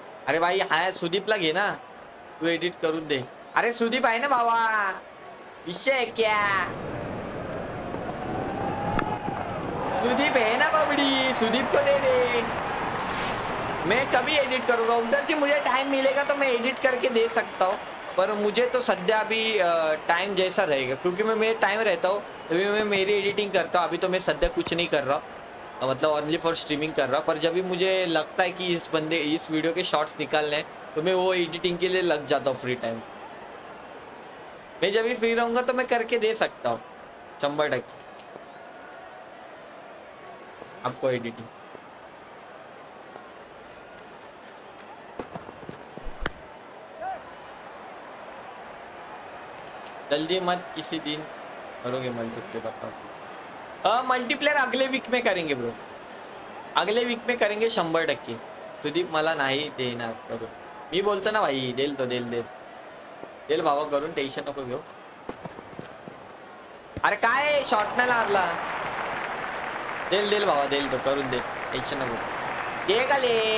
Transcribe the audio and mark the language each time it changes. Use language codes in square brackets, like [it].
[mr] अरे भाई हा सुदीपला घे ना, तू एडिट करून दे। अरे सुदीप आहे ना भावा, [hi] विषय क्या सुदीप है ना बाबड़ी, सुदीप को दे दे, मैं कभी एडिट करूंगा उधर की, मुझे टाइम मिलेगा तो मैं एडिट करके दे सकता हूँ। पर मुझे तो सद्या अभी टाइम जैसा रहेगा, क्योंकि मैं मेरे टाइम रहता हूँ अभी मैं मेरी एडिटिंग करता हूँ। अभी तो मैं सद्या कुछ नहीं कर रहा, मतलब ओनली फॉर स्ट्रीमिंग कर रहा, पर जब भी मुझे लगता है कि इस बंदे इस वीडियो के शॉर्ट्स निकालने हैं तो मैं वो एडिटिंग के लिए लग जाता हूँ। फ्री टाइम मैं जब भी फ्री रहूँगा तो मैं करके दे सकता हूँ 100% आपको एडिटिंग। जल्दी मत किसी दिन करोगे मल्टीप्लेयर, बताओ प्लीज। मल्टीप्लेयर अगले वीक में करेंगे ब्रो, अगले वीक में करेंगे 100%। [mr] तुझी मला नाही देणार ब्रो, मी बोलतो ना भाई देल तो देल देल देल भावा करून टेंशन नको घेऊ। अरे काय शॉर्ट नाही लागला, देल देल भावा देल तो करून दे, टेंशन नको दे गले।